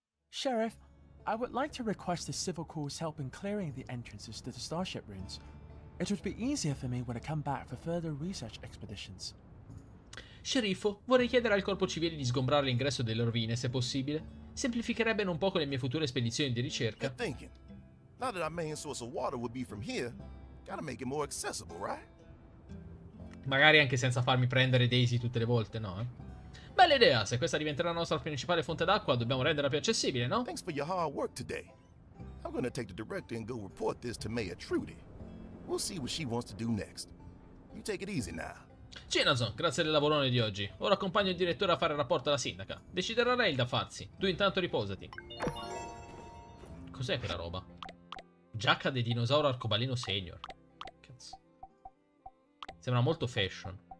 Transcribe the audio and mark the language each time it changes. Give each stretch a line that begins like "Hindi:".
English: Sheriff, I would like to request the civil corps help in clearing the entrances to the starship ruins. It would be easier for me when I come back for further research expeditions.
Italian: Sceriffo, vorrei chiedere al corpo civile di sgombrare l'ingresso delle rovine, se possibile. Semplificherebbero un poco le mie future spedizioni di ricerca.
English: Now that our main source of water would be from here, gotta make it more accessible, right?
Italian: Magari anche senza farmi prendere Daisy tutte le volte, no? Bella idea, se questa diventerà la nostra principale fonte d'acqua, dobbiamo renderla più accessibile, no?
English: Thanks for your hard work today. I'm gonna take the director and go report this to Mayor Trudy. We'll see what she wants to do next. You take it easy now.
Italian: Jenazon, grazie del lavorone di oggi. Ora accompagno il direttore a fare il rapporto alla sindaca. Deciderà lei da farsi. Tu intanto riposati. Cos'è quella roba? Giacca di dinosauro arcobaleno senior. Cazzo. Sembra molto fashion.